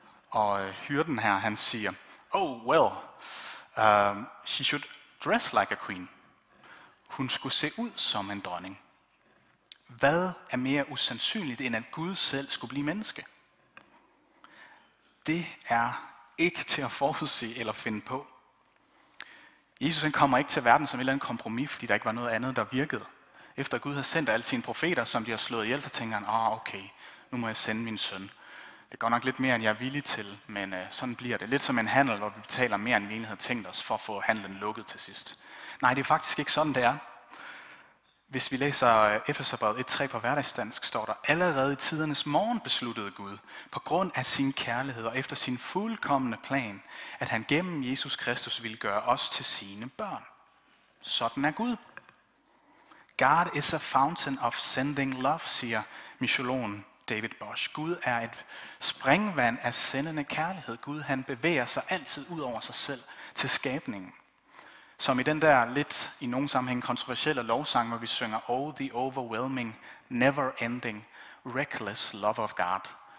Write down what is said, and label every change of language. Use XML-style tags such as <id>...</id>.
<da>Og hyrden her, han siger,</da> <en>"Oh, well, she should dress like a queen."</en> <da>Hun skulle se ud som en dronning. Hvad er mere usandsynligt, end at Gud selv skulle blive menneske? Det er ikke til at forudse eller finde på. Jesus han kommer ikke til verden som et eller andet kompromis, fordi der ikke var noget andet, der virkede. Efter Gud har sendt alle sine profeter, som de har slået ihjel, så tænker han, ah, okay, nu må jeg sende min søn. Det går nok lidt mere, end jeg er villig til, men sådan bliver det. Lidt som en handel, hvor vi betaler mere, end vi egentlig havde tænkt os, for at få handlen lukket til sidst. Nej, det er faktisk ikke sådan, det er. Hvis vi læser Efeserbrevet 1:3 på hverdagsdansk, står der, allerede i tidernes morgen besluttede Gud, på grund af sin kærlighed og efter sin fuldkommende plan, at han gennem Jesus Kristus ville gøre os til sine børn. Sådan er Gud.</da> <en>God is a fountain of sending love,</en> <da>siger</da> <en>Michelon David Bosch.</en> <da>Gud er et springvand af sendende kærlighed. Gud, han bevæger sig altid ud over sig selv til skabningen. Som i den der lidt i nogen sammenhæng kontroversielle lovsang, hvor vi synger</da> <en>Oh, the overwhelming, never-ending, reckless love of God.</en>